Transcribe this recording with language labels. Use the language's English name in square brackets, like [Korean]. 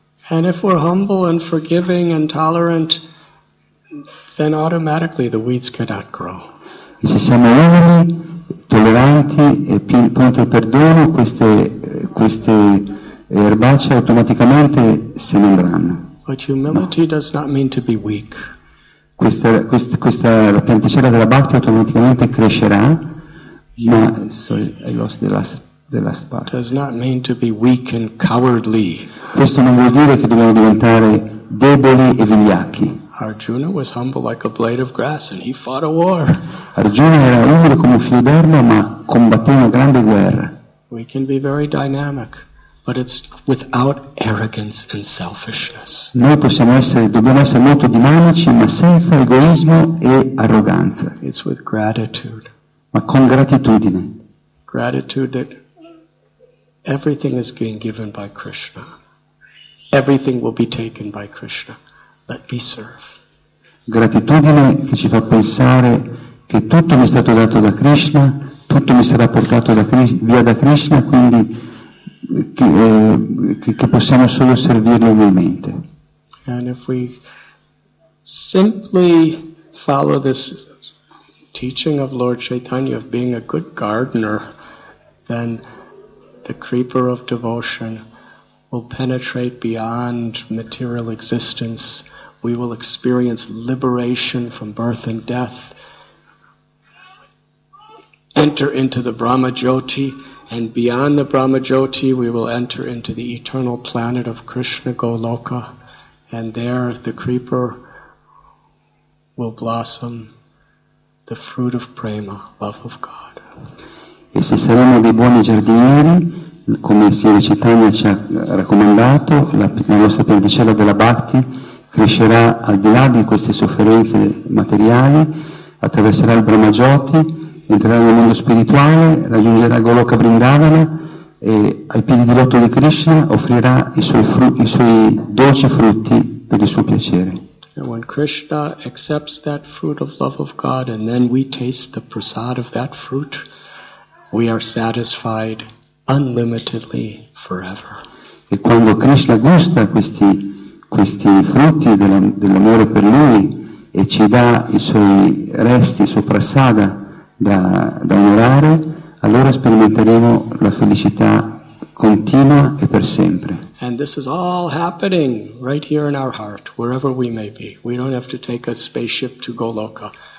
[English] And if we're humble and forgiving and tolerant, then automatically the weeds cannot grow. [Italian] E se siamo umili, tolleranti e pronti al perdono, queste erbacce automaticamente se ne andranno. [English] But humility no. Does not mean to be weak. [Italian] Questa la pianticella della Bhakti automaticamente crescerà, ma [English] I lost the last part. Does not mean to be weak and cowardly. [Italian] Questo non vuol dire che dobbiamo diventare deboli e vigliacchi. [English] Arjuna was humble like a blade of grass and he fought a war. [Italian] Arjuna era umile come un filo d'erba ma combatté una grande guerra. [English] We can be very dynamic, but it's without arrogance and selfishness. [Italian] Noi dobbiamo essere molto dinamici ma senza egoismo e arroganza. [English] It's with gratitude. [Italian] Ma con gratitudine. [English] Gratitude that everything is being given by Krishna. Everything will be taken by Krishna. Let me serve. [Italian] Gratitudine che ci fa pensare che tutto mi è stato dato da Krishna, tutto mi sarà portato via da Krishna, quindi che possiamo solo servirlo umilmente. [English] And if we simply follow this teaching of Lord Chaitanya of being a good gardener, then the creeper of devotion will penetrate beyond material existence. We will experience liberation from birth and death, enter into the Brahma Jyoti, and beyond the Brahma Jyoti, we will enter into the eternal planet of Krishna Goloka, and there the creeper will blossom the fruit of prema, love of God. [Italian] E se saremo dei buoni giardinieri, come il Signore Chaitanya ci ha raccomandato, la nostra pianticella della Bhakti crescerà al di là di queste sofferenze materiali, attraverserà il Brahma Jyoti, entrerà nel mondo spirituale, raggiungerà Goloka Vrindavana e ai piedi di lotto di Krishna offrirà i suoi dolci frutti per il suo piacere. E quando [English] Krishna accepts that fruit of love of God and then we taste the prasad of that fruit, we are satisfied unlimitedly forever. [Italian] E quando Krishna gusta questi frutti dell'amore per lui e ci dà i suoi resti, il suo prasada da onorare, allora sperimenteremo la felicità continua e per sempre. [English] And this is all happening right here in our heart, wherever we may be. We don't have to take a spaceship to Goloka.